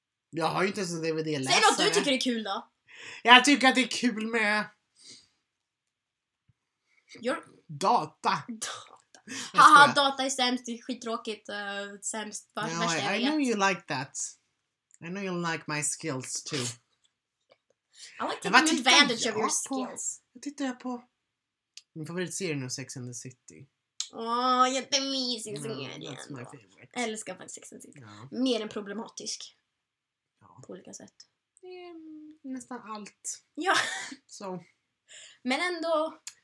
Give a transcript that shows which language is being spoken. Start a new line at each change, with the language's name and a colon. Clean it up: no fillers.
Swedish: Jag har ju inte ens en DVD-läsare. Säg något du tycker är kul då. Jag tycker att det är kul med data. Haha, data är sämst, det är skittråkigt. Sämst, bara
English: no,
Swedish: värsta jag vet.
English: I know you like that. I know you like my skills too. I like taking advantage of your skills.
Swedish: Vad tittar jag på? Min favoritserie är nog Sex and the City. Åh, jättemysig serie. Jag älskar faktiskt Sex and the City. Ja. Mer än problematisk. Ja. På olika sätt. Nästan allt. Ja. Så. Men ändå...